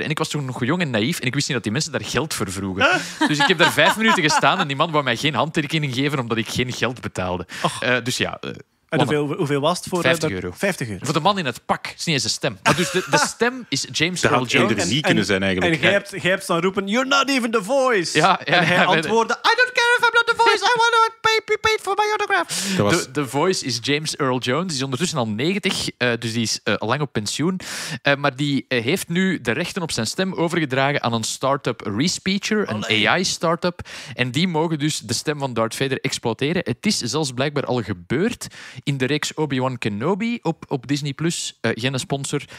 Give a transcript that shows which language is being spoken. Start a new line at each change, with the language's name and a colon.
Dutch: En ik was toen nog jong en naïef en ik wist niet dat die mensen daar geld voor vroegen. Dus ik heb daar 5 minuten gestaan en die man wou mij geen handtekening geven omdat ik geen geld betaalde. En hoeveel was het voor... 50 euro. 50 euro. Voor de man in het pak. Het is niet eens de stem. Maar dus de stem is James Earl Jones. Dat had energie kunnen zijn eigenlijk. En jij hebt dan roepen,
English: you're not even the voice.
Dutch: Ja, en hij antwoordde,
English: I don't care if I'm not the voice. I want to be paid for my autograph.
Dutch: De voice is James Earl Jones. Die is ondertussen al 90, dus die is lang op pensioen. Maar die heeft nu de rechten op zijn stem overgedragen aan een start-up Respeecher, een AI-start-up. En die mogen dus de stem van Darth Vader exploiteren. Het is zelfs blijkbaar al gebeurd... In de reeks Obi-Wan Kenobi op Disney+, geen sponsor.